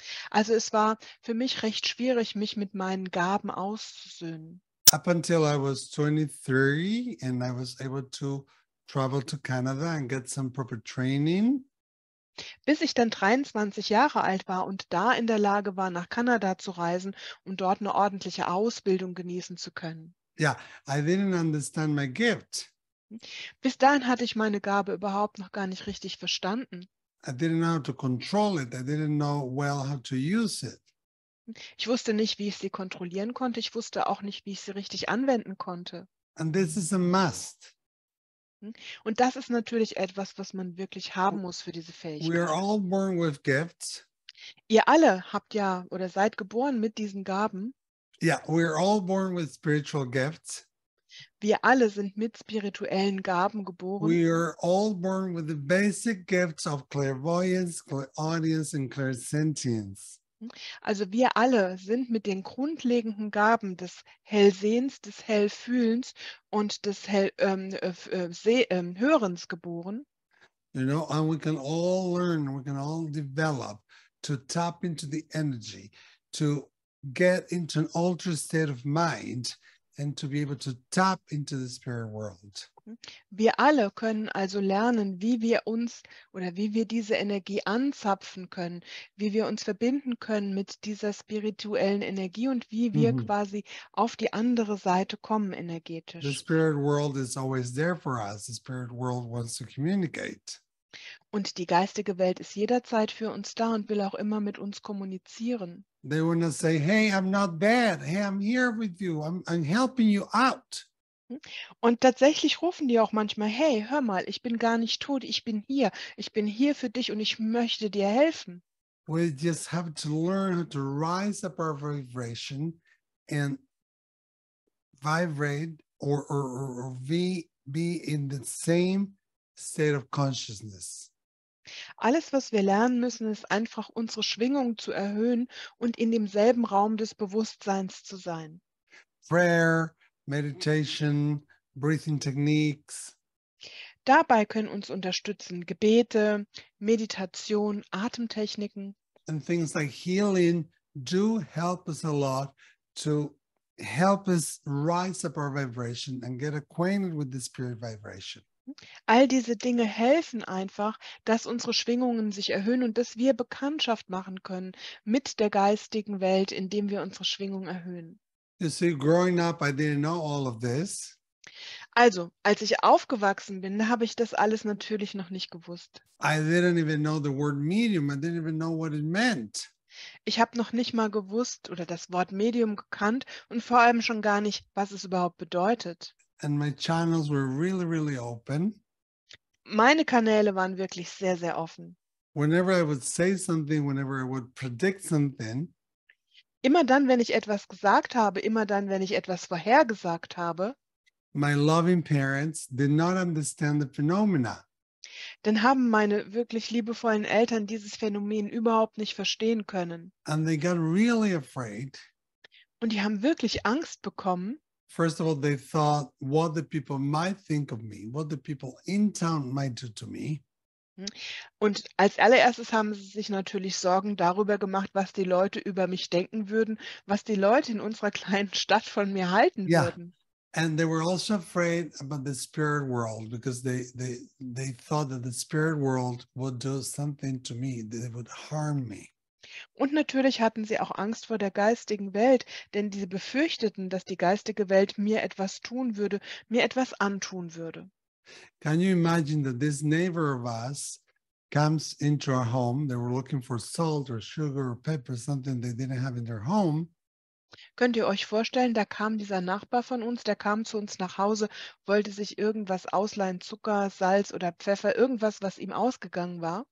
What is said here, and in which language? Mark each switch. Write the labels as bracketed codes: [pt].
[de] Also es war für mich recht schwierig, mich mit meinen Gaben auszusöhnen. [en] Up until I was 23 and I was able to travel to Canada and get some proper training. [de] Bis ich dann 23 Jahre alt war und da in der Lage war, nach Kanada zu reisen und dort eine ordentliche Ausbildung genießen zu können. [en] Yeah, I didn't understand my gift. [de] Bis dahin hatte ich meine Gabe überhaupt noch gar nicht richtig verstanden. [en] I didn't know how to control it. I didn't know well how to use it. [de] Ich wusste nicht, wie ich sie kontrollieren konnte. Ich wusste auch nicht, wie ich sie richtig anwenden konnte. [en] And this is a must. [de] Und das ist natürlich etwas, was man wirklich haben muss für diese Fähigkeit. [en] We are all born with gifts. [de] Ihr alle habt ja oder seid geboren mit diesen Gaben. [en] Yeah, we are all born with spiritual gifts. [de] Wir alle sind mit spirituellen Gaben geboren. [en] We are all born with the basic gifts of clairvoyance, clairaudience and clairsentience. [de] Also wir alle sind mit den grundlegenden Gaben des Hellsehens, des Hellfühlens und des Hörens geboren. [en] You know, and we can all learn, we can all develop to tap into the energy, to get into an altered state of mind and to be able to tap into the spirit world. [de] Wir alle können also lernen, wie wir uns oder wie wir diese Energie anzapfen können, wie wir uns verbinden können mit dieser spirituellen Energie und wie wir quasi auf die andere Seite kommen energetisch. [en] The spirit world is always there for us. The spirit world wants to communicate. [de] Und die geistige Welt ist jederzeit für uns da und will auch immer mit uns kommunizieren. [en] They want to say, hey, I'm not bad. Hey, I'm here with you. I'm helping you out. [de] Und tatsächlich rufen die auch manchmal, hey, hör mal, ich bin gar nicht tot, ich bin hier. Ich bin hier für dich und ich möchte dir helfen. [en] We just have to learn how to rise up our vibration and vibrate or be in the same state of consciousness. [de] Alles, was wir lernen müssen, ist einfach unsere Schwingung zu erhöhen und in demselben Raum des Bewusstseins zu sein. [en] Prayer, Meditation, breathing techniques. [de] Dabei können uns unterstützen Gebete, Meditation, Atemtechniken. [en] And things like healing do help us a lot to help us rise up our vibration and get acquainted with the spirit vibration. [de] All diese Dinge helfen einfach, dass unsere Schwingungen sich erhöhen und dass wir Bekanntschaft machen können mit der geistigen Welt, indem wir unsere Schwingung erhöhen. [en] You see, growing up, I didn't know all of this. [de] Also, als ich aufgewachsen bin, habe ich das alles natürlich noch nicht gewusst. [en] I didn't even know the word medium. I didn't even know what it meant. [de] Ich habe noch nicht mal gewusst oder das Wort Medium gekannt und vor allem schon gar nicht, was es überhaupt bedeutet. [en] And my channels were really, really open. [de] Meine Kanäle waren wirklich sehr, sehr offen. [en] Whenever I would say something, whenever I would predict something. [de] Immer dann, wenn ich etwas gesagt habe, immer dann, wenn ich etwas vorhergesagt habe. [en] My loving parents did not understand the phenomena. [de] Dann haben meine wirklich liebevollen Eltern dieses Phänomen überhaupt nicht verstehen können. [en] And they got really afraid. [de] Und die haben wirklich Angst bekommen. [en] First of all, they thought what the people might think of me, what the people in town might do to me. [de] Und als allererstes haben sie sich natürlich Sorgen darüber gemacht, was die Leute über mich denken würden, was die Leute in unserer kleinen Stadt von mir halten würden. [en] And they were also afraid about the spirit world because they thought that the spirit world would do something to me, that it would harm me. [de] Und natürlich hatten sie auch Angst vor der geistigen Welt, denn sie befürchteten, dass die geistige Welt mir etwas tun würde, mir etwas antun würde. [en] Can you imagine that this neighbor of us comes into our home? They were looking for salt or sugar or pepper, something they didn't have in their home. [de] Könnt ihr euch vorstellen, da kam dieser Nachbar von uns, der kam zu uns nach Hause, wollte sich irgendwas ausleihen, Zucker, Salz oder Pfeffer, irgendwas, was ihm ausgegangen war?